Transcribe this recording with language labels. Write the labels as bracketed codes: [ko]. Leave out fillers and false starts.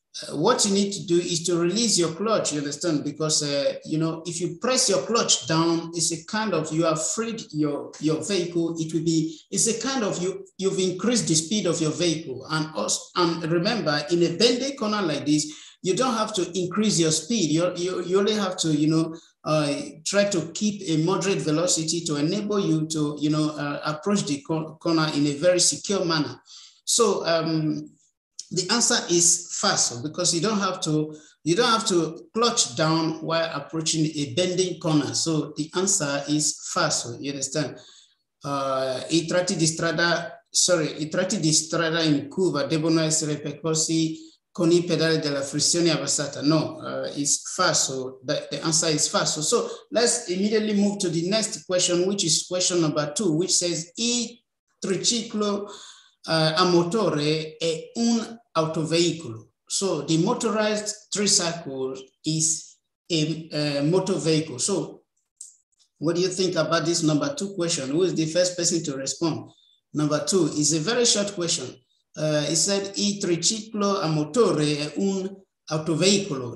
[en] What you need to do is to release your clutch, you understand, because, you know, if you press your clutch down, it's a kind of, you have freed your vehicle, you've increased the speed of your vehicle, and remember, in a bending corner like this, you don't have to increase your speed, you only have to, you know, try to keep a moderate velocity to enable you to, you know, approach the corner in a very secure manner. So, the answer is falso, because you don't have to clutch down while approaching a bending corner. So the answer is falso, you understand? [it] Itrati di strada in curva, debono essere percorsi con I pedali della frizione avanzata. [en] No, it's falso. The answer is falso. So let's immediately move to the next question, which is question number two, which says, [it] I triciclo a motore è un autoveicolo. [en] So the motorized tricycle is a motor vehicle. So what do you think about this number two question? Who is the first person to respond? Number two is a very short question. It said, [it] I triciclo a motore è un autoveicolo.